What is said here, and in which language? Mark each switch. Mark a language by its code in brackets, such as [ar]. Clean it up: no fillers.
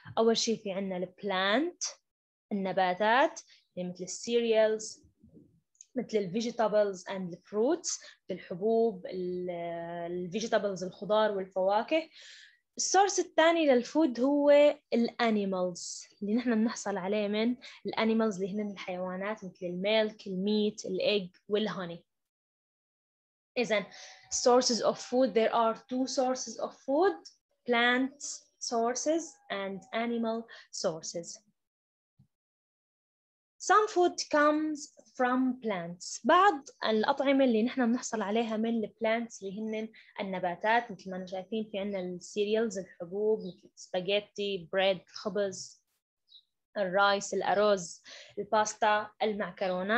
[ar] أول شيء في عنا البلانت النباتات اللي مثل السيريالز، مثل [en] الفيجيتابلز اند الفروتس، [ar] الحبوب، الفيجيتابلز الخضار والفواكه. السورس الثاني للفود هو الانيمالز اللي نحن بنحصل عليه من الانيمالز اللي هن الحيوانات مثل [en] الميلك، الميت، الايج والهوني. اذا sources of food there are two sources of food, plant sources and animal sources. Some food comes from plants. [ar] بعض الأطعمة اللي نحن بنحصل عليها من البلانتس اللي هن النباتات مثل ما احنا شايفين في عندنا السيريالز الحبوب مثل السباجيتي، بريد، الخبز، الرايس، الأرز، الباستا، المعكرونة.